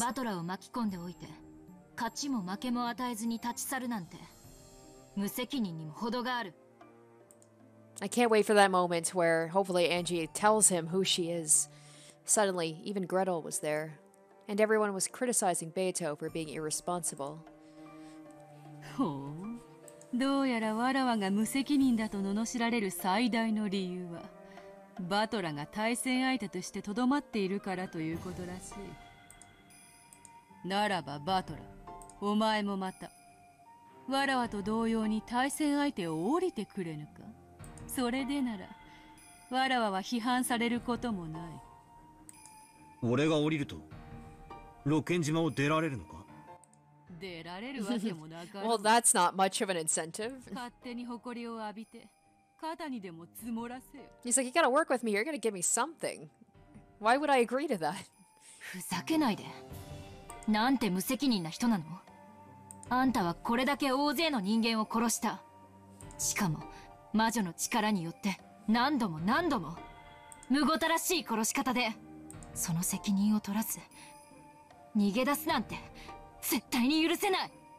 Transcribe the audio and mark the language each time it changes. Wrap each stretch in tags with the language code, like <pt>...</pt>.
<ja>Batora を巻き込んでおいて、勝ちも負けも与えずに立ち去るなんて、無責任にも程がある。</ja> <en>I can't wait for that moment where hopefully Angie tells him who she is. Suddenly, even Gretel was there. And everyone was criticizing Beato for being irresponsible.</en> <ja>Oh, どうやらわらわが無責任だと罵られる最大の理由は、バトラが対戦相手としてとどまっているからということらしい。ならばバトラ、お前もまた、わらわと同様に対戦相手を降りてくれぬか。それでなら、わらわは批判されることもない。俺が降りると、ロケン島を出られるのか？出られるわけもなかろう。</ja> <en>Well, that's not much of an incentive.</en> <ja>勝手に誇りを浴びて、肩にでも積もらせよ。</ja> <en>He's like, you gotta work with me, you're gonna give me something. Why would I agree to that?</en> <ja>ふざけないで。なんて無責任な人なの？あんたはこれだけ大勢の人間を殺した。しかも、魔女の力によって何度も何度もむごたらしい殺し方でその責任を取らず逃げ出すなんて絶対に許せない。</ja>